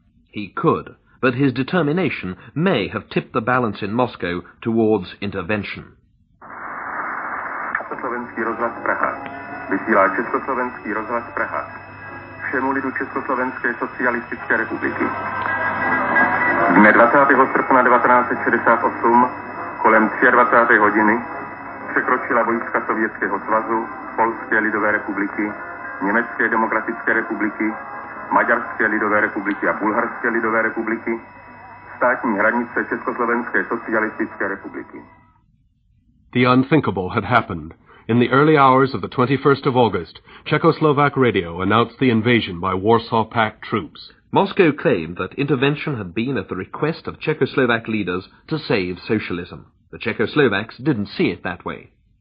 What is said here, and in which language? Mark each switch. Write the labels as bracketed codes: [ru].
[en] He could. But his determination may have tipped the balance in Moscow towards intervention. [cs] Československý rozhlas Praha. Vysílá Československý rozhlas Praha. Všemu lidu Československé socialistické republiky. Dne 20. srpna 1968 kolem 23. hodiny překročila vojska Sovětského svazu, Polské lidové republiky, Německé demokratické republiky, Maďarské lidové republiky a Bulharské lidové republiky, státní hranice Československé socialistické republiky. [en] The unthinkable had happened. In the early hours of the 21st of August, Czechoslovak radio announced the invasion by Warsaw Pact troops. Moscow claimed that intervention had been at the request of Czechoslovak leaders to save socialism. The Czechoslovaks didn't see it that way.